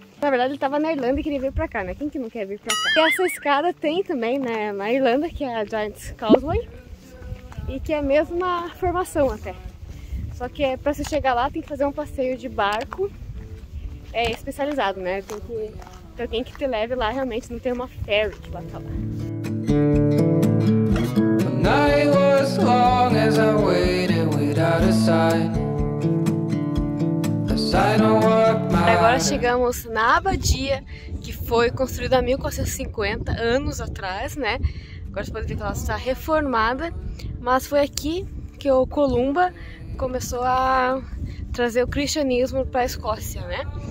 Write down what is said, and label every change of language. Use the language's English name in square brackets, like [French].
[Portuguese] Na verdade, ele estava na Irlanda e queria vir para cá, né? Quem que não quer vir para cá? E essa escada tem também, né, na Irlanda, que é a Giant's Causeway. E que é a mesma formação até. Só que para você chegar lá tem que fazer um passeio de barco. É especializado, né? Tem que ter alguém que te leve lá, realmente não tem uma ferry que vai falar. [English] Night was long as I waited without a sign. [Portuguese] Agora chegamos na abadia, que foi construída há 1450 anos atrás, né? Agora você pode ver que ela está reformada. Mas foi aqui que o Columba começou a trazer o cristianismo para a Escócia, né?